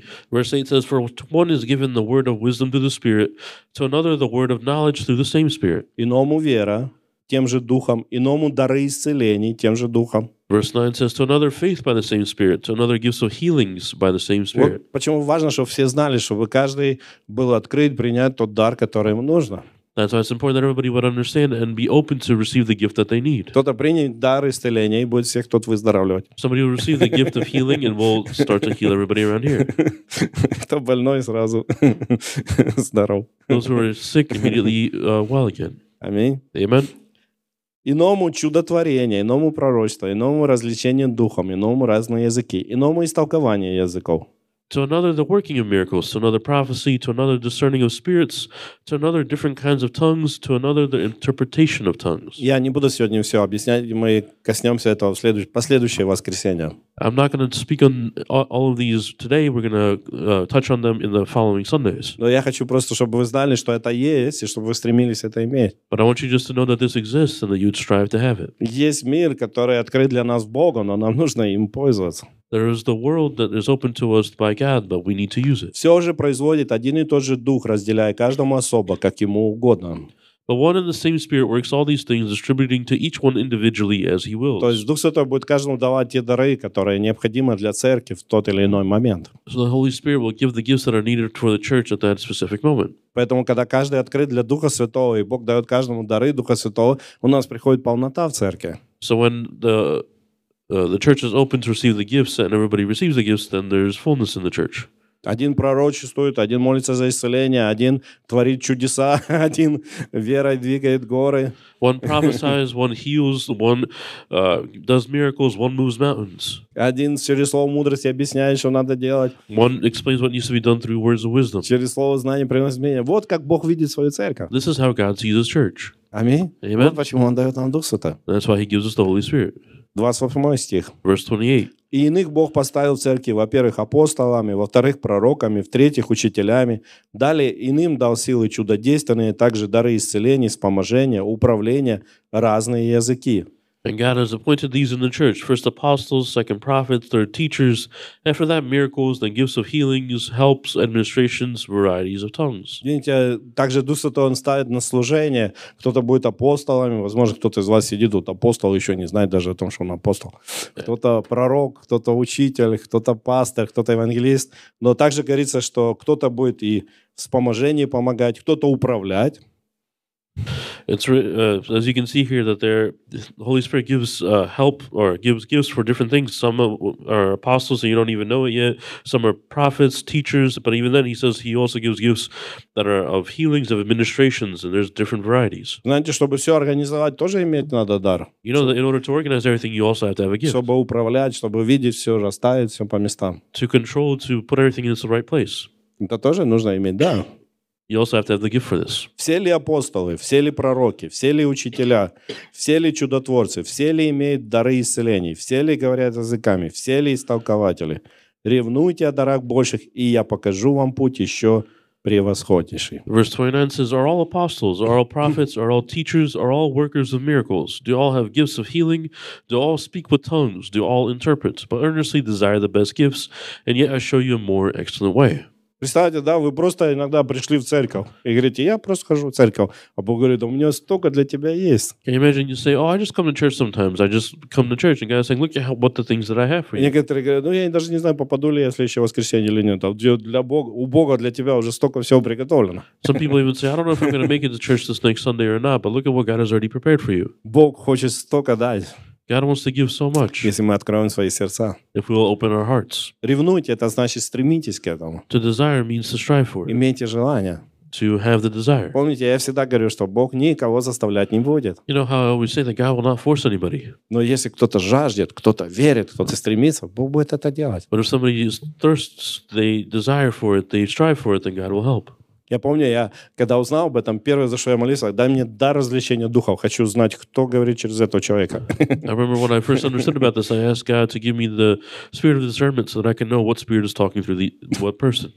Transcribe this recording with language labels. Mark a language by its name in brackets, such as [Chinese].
[English] Verse 8 says, For to one is given the word of wisdom through the Spirit, to another the word of knowledge through the same Spirit. [Russian] Иному вера, тем же духом, иному дары исцелений, тем же духом. [English] Verse 9 says, To another faith by the same Spirit, to another gifts of healings by the same Spirit. [Russian] Вот почему важно, чтобы все знали, чтобы каждый был открыт, принять тот дар, который ему нужно. [English] That's why it's important that everybody would understand and be open to receive the gift that they need. [Russian] Кто-то принял дар исцеления и будет всех тот выздоравливать. [English] Somebody will receive the gift of healing and will start to heal everybody around here. [Russian] Кто больной сразу здоров. [English] Those who are sick immediately well again. [Russian] Аминь. [English] Amen. [Russian] Иному чудотворение, иному пророчество, иному различение духом, иному разные языки, иному истолкование языков. [English] To another the working of miracles, to another prophecy, to another discerning of spirits, to another different kinds of tongues, to another the interpretation of tongues. [Russian] Я не буду сегодня все объяснять, мы коснемся этого в последующее воскресенье. [English] I'm not going to speak on all of these today, we're going to touch on them in the following Sundays. [Russian] Но я хочу просто, чтобы вы знали, что это есть, и чтобы вы стремились это иметь. [English] But I want you just to know that this exists and that you'd strive to have it. [Russian] Есть мир, который открыт для нас Богом, но нам нужно им пользоваться. [English] There is the world that is open to us by God, but we need to use it. [Russian] Все же производит один и тот же дух, разделяя каждому особо, как ему угодно. [English] But one and the same Spirit works all these things, distributing to each one individually as He wills. [Russian] То есть Дух Святой будет каждому давать те дары, которые необходимы для церкви в тот или иной момент. [English] So the Holy Spirit will give the gifts that are needed for the church at that specific moment. [Russian] Поэтому, когда каждый открыт для Духа Святого, и Бог дает каждому дары Духа Святого, у нас приходит полнота в церкви. [English] So when the church is open to receive the gifts, and everybody receives the gifts, then there's fullness in the church. [Russian] Один пророчествует, один молится за исцеление, один творит чудеса, один верой двигает горы. [English] One prophesies, one heals, one does miracles, one moves mountains. [Russian] Один через слово мудрости объясняет, что надо делать. One explains what needs to be done through words of wisdom. Через слово знания приносит изменения. Вот как Бог видит свою церковь. [English] This is how God sees His church. [Russian] Аминь. [English] Amen. [Russian] Вот почему Он дает нам Дух Святой. [English] That's why He gives us the Holy Spirit. [Russian] 28 стих. [English] Verse 28. [Russian] «И иных Бог поставил в церкви, во-первых, апостолами, во-вторых, пророками, в-третьих, учителями. Далее иным дал силы чудодейственные, также дары исцеления, вспоможения, управления, разные языки». [English] And God has appointed these in the church, first apostles, second prophets, third teachers, and for that miracles, then gifts of healings, helps, administrations, varieties of tongues. [Russian] Видите, также Дух Святой Он ставит на служение, кто-то будет апостолами, возможно, кто-то из вас сидит, вот апостол еще не знает даже о том, что он апостол. Кто-то пророк, кто-то учитель, кто-то пастор, кто-то евангелист, но также говорится, что кто-то будет и в вспоможении помогать, кто-то управлять. [English] It's as you can see here that there, the Holy Spirit gives help or gives gifts for different things. Some are apostles and you don't even know it yet. Some are prophets, teachers. But even then, he says he also gives gifts that are of healings, of administrations, and there's different varieties. [Russian] Знаете, чтобы все организовать, тоже иметь надо дар. [English] You know that in order to organize everything, you also have to have a gift. [Russian] Чтобы управлять, чтобы видеть все, расставить все по местам. [English] To control, to put everything in the right place. [Russian] Это тоже нужно иметь, да. [English] You also have to have the gift for this. [Russian] Все ли апостолы, все ли пророки, все ли учителя, все ли чудотворцы, все ли имеют дары исцелений, все ли говорят языками, все ли истолкователи? Ревнуйте о дарах больших, и я покажу вам путь еще превосходнейший. [English] Verse 29 says, Are all apostles, are all prophets, are all teachers, are all workers of miracles? Do all have gifts of healing? Do all speak with tongues? Do all interpret? But earnestly desire the best gifts, and yet I show you a more excellent way. [Russian] Представьте, да, вы просто иногда пришли в церковь и говорите, я просто хожу в церковь. А Бог говорит, у меня столько для тебя есть. [English] Can you imagine, you say, oh, I just come to church sometimes. I just come to church. And God is saying, look at what the things that I have for you. [Russian] Некоторые говорят, ну, я даже не знаю, попаду ли я в следующее воскресенье или нет. Для Бога, у Бога для тебя уже столько всего приготовлено. [English] Some people even say, I don't know if I'm going to make it to church this next Sunday or not, but look at what God has already prepared for you. [Russian] Бог хочет столько дать. [English] God wants to give so much. [Russian] Если мы откроем свои сердца. [English] If we will open our hearts. [Russian] Ревнуйте, это значит стремитесь к этому. [English] To desire means to strive for it. [Russian] Имейте желание. [English] To have the desire. [Russian] Помните, я всегда говорю, что Бог никого заставлять не будет. [English] You know how I always say that God will not force anybody. [Russian] Но если кто-то жаждет, кто-то верит, кто-то стремится, Бог будет это делать. [English] But if somebody thirsts, they desire for it, they strive for it, then God will help. [Russian] Я помню, я когда узнал об этом, первое, за что я молился, дай мне дар развлечения духов. Хочу знать, кто говорит через этого человека. [English] I remember when I first understood about this, I asked God to give me the spirit of discernment so that I can know what spirit is talking through the what person.